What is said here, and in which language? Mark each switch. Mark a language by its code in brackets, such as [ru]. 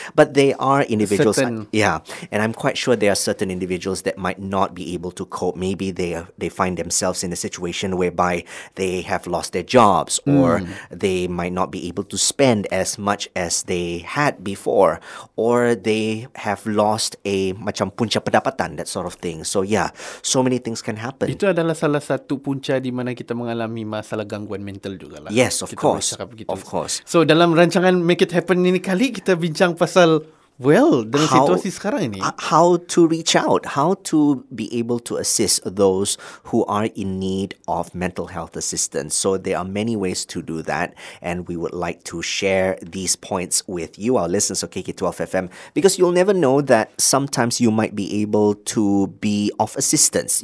[en] But there are individuals, and I'm quite sure there are certain individuals that might not be able to cope. Maybe they find themselves in a situation whereby they have lost their jobs or they might not be able to spend as much as they had before, or they have lost a [ms] macam punca pendapatan, [en] that sort of thing. So yeah, so many things can happen. [ms] Itu adalah salah satu punca di mana kita mengalami masalah gangguan mental juga lah. [en] Yes, of course, of course. [ms] So dalam rancangan Make It Happen ini kali kita bincang pasal, well, dengan situasi sekarang ini, [en] how to reach out, how to be able to assist those who are in need of mental health assistance. So there are many ways to do that, and we would like to share these points with you, our listeners of KK12FM, because you'll never know that sometimes you might be able to be of assistance.